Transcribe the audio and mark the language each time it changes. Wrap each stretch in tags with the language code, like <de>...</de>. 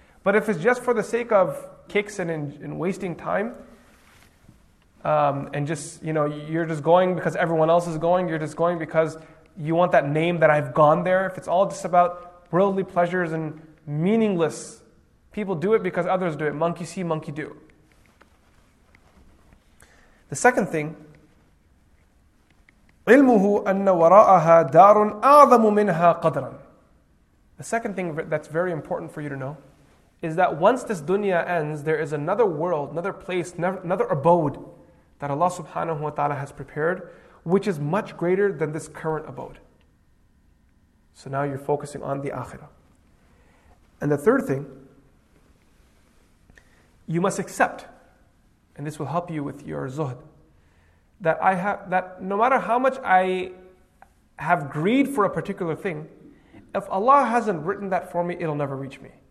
<en>But if it's just for the sake of kicks and wasting time, and just, you know, you're just going because everyone else is going, you're just going because you want that name that I've gone there, if it's all just about worldly pleasures and meaningless, people do it because others do it. Monkey see, monkey do. The second thing,</en> <ar>عِلْمُهُ أَنَّ وَرَاءَهَا دَارٌ أَعْظَمُ مِنْهَا قَدْرًا.</ar> <en>The second thing that's very important for you to know is that once this dunya ends, there is another world, another place, another abode that Allah subhanahu wa ta'ala has prepared, which is much greater than this current abode. So now you're focusing on the akhirah. And the third thing, you must accept, and this will help you with your zuhd, that I have, that no matter how much I have greed for a particular thing, if Allah hasn't written that for me, it'll never reach me.</en>